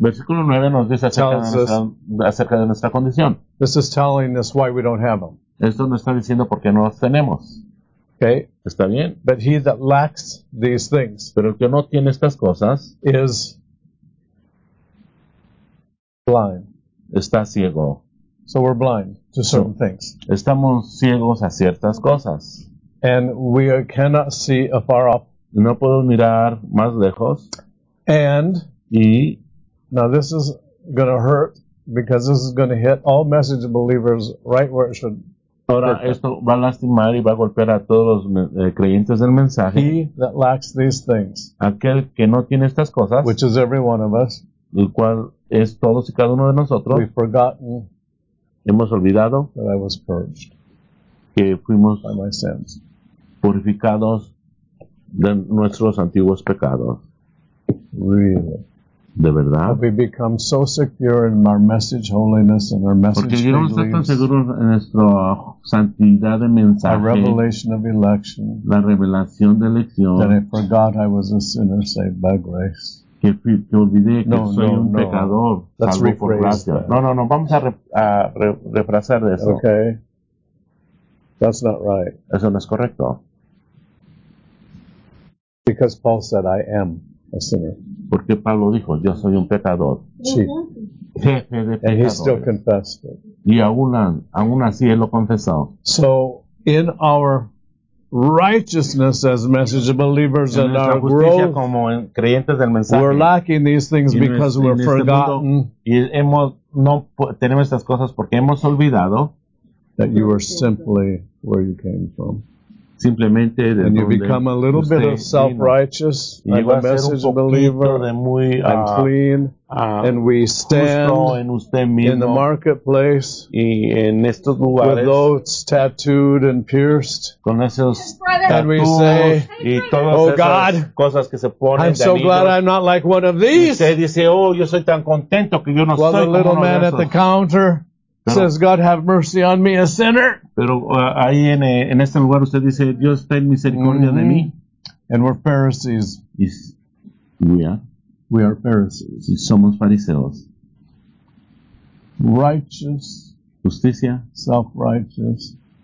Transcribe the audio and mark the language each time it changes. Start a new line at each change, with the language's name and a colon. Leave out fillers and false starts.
English: this is telling us why we don't have them.
Spanish: Esto nos está diciendo por qué no los tenemos.
English: Okay.
Spanish: Está bien.
English: But he that lacks these things,
Spanish: pero el que no tiene estas cosas,
English: is blind.
Spanish: Está ciego.
English: So we're blind to certain things.
Spanish: Estamos ciegos a ciertas cosas.
English: And we cannot see afar off.
Spanish: No puedo mirar más lejos.
English: And
Spanish: y,
English: now this is going to hurt because this is going to hit all message believers right where it should.
Spanish: Ahora esto va a lastimar y va a golpear a todos los creyentes del mensaje.
English: He that lacks these things.
Spanish: Aquel que no tiene estas cosas.
English: Which is every one of us.
Spanish: El cual es todos y cada uno de nosotros.
English: We've forgotten.
Spanish: Hemos olvidado
English: that I was purged
Spanish: que fuimos
English: by my sins.
Spanish: Purificados de nuestros antiguos pecados.
English: Really?
Spanish: De verdad.
English: Have we become so secure in our message holiness and our message
Spanish: porque
English: freedoms,
Spanish: ya no estamos tan seguros en nuestra santidad de mensaje,
English: a revelation of election,
Spanish: la revelación de elección,
English: that I forgot I was a sinner saved by grace.
Spanish: Que olvidé que soy un pecador salvo por gracia. No, vamos a refrasar eso.
English: Okay. That's not right.
Spanish: Eso no es correcto.
English: Because Paul said, I am a sinner.
Spanish: Porque Pablo dijo, yo soy un pecador. Jefe de pecadores.
English: And he still confessed it.
Spanish: Y aún así él lo confesó.
English: So, in our righteousness as message believers and our growth,
Spanish: como en creyentes del mensaje,
English: we're lacking these things because we're forgotten.
Spanish: Y hemos, no, tenemos estas cosas porque hemos olvidado
English: that you were simply where you came from.
Spanish: Simplemente de
English: and you become a little bit of self-righteous like a message believer. I'm clean. And we stand
Spanish: en usted mismo,
English: in the marketplace
Spanish: y en estos lugares,
English: with those tattooed and pierced.
Spanish: Con esos
English: and we say,
Spanish: y todas
English: oh God,
Spanish: esas cosas que se ponen
English: I'm so glad I'm not like one of these.
Spanish: Usted dice, oh, yo soy tan contento que yo no
English: well,
Spanish: soy
English: the little man at the counter says, God, have mercy on me, a sinner.
Spanish: Pero ahí en este lugar usted dice, Dios, ten misericordia de mí.
English: And we're Pharisees. We are Pharisees.
Spanish: Y somos fariseos.
English: Righteous.
Spanish: Justicia.
English: Self-righteous.